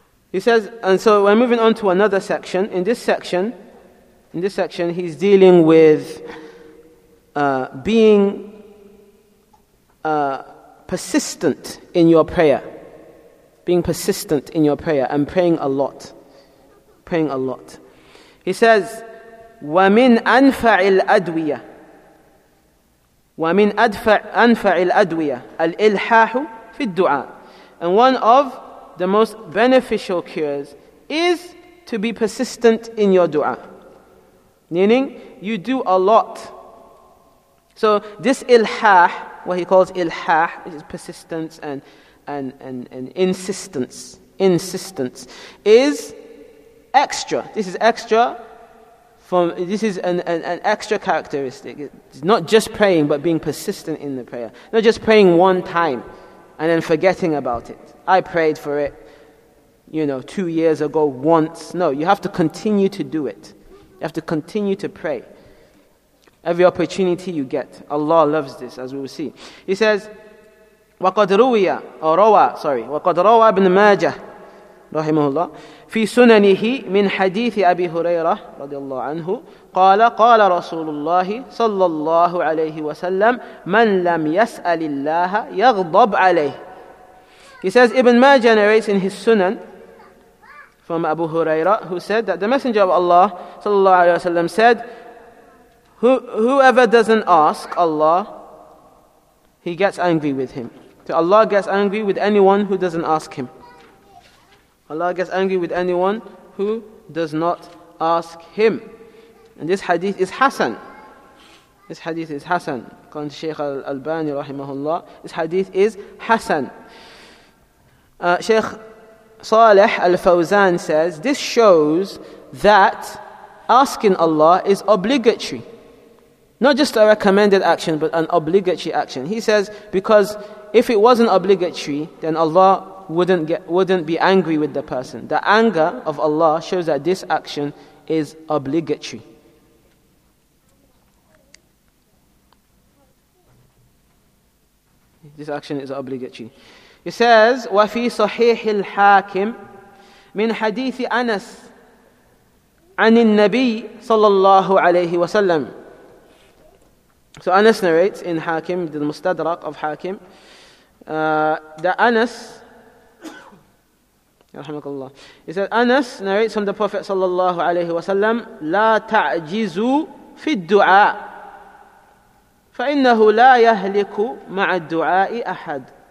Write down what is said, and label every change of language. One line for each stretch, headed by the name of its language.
English: He says, and so we're moving on to another section. In this section, he's dealing with being persistent in your prayer. Being persistent in your prayer and praying a lot. Praying a lot. He says,
Arabic: وَمِنْ أَنْفَعِ الْأَدْوِيَةِ وَمِنْ أَنْفَعِ الْأَدْوِيَةِ الْإِلْحَاحُ فِي الدُّعَى.
English: And one of the most beneficial cures is to be persistent in your dua. Meaning, you do a lot. So this ilhah, what he calls ilhah, which is persistence and and insistence is extra. This is extra from, this is an extra characteristic. It's not just praying, but being persistent in the prayer. Not just praying one time and then forgetting about it. I prayed for it, you know, 2 years ago once. No, you have to continue to do it. You have to continue to pray. Every opportunity you get. Allah loves this, as we will see. He says,
Arabic: وَقَدْ رُوِيَ أو روى,
English: sorry,
Arabic: وَقَدْ رُوَى بن ماجه رحمه الله في سننه من حديث أبي هريرة رضي الله عنه قال قال رسول الله صلى الله عليه وسلم من لم يسأل الله يغضب عليه.
English: He says Ibn Majah narrates in his Sunan from Abu Huraira, who said that the Messenger of Allah صلى الله عليه وسلم said, whoever doesn't ask Allah, he gets angry with him. So Allah gets angry with anyone who doesn't ask him. Allah gets angry with anyone who does not ask him. And this hadith is Hassan. This hadith is Hassan. Qala Shaykh al-Albani rahimahullah. This hadith is Hassan. Shaykh Saleh al-Fawzan says, this shows that asking Allah is obligatory. Not just a recommended action, but an obligatory action. He says, because if it wasn't obligatory, then Allah wouldn't be angry with the person. The anger of Allah shows that this action is obligatory. This action is obligatory. It says,
Arabic: وَفِي صَحِيحِ الْحَاكِمِ مِنْ حَدِيثِ أَنَسْ عَنِ النَّبِيِّ صَلَّى اللَّهُ عَلَيْهِ وَسَلَّمْ.
English: So Anas narrates in Hakim, the Mustadrak of Hakim, that Anas, rahimakallah, he said Anas narrates from the Prophet sallallahu alayhi wasallam,
Arabic: لا تعجزوا في الدعاء فإنه لا يهلك مع الدعاء أحد.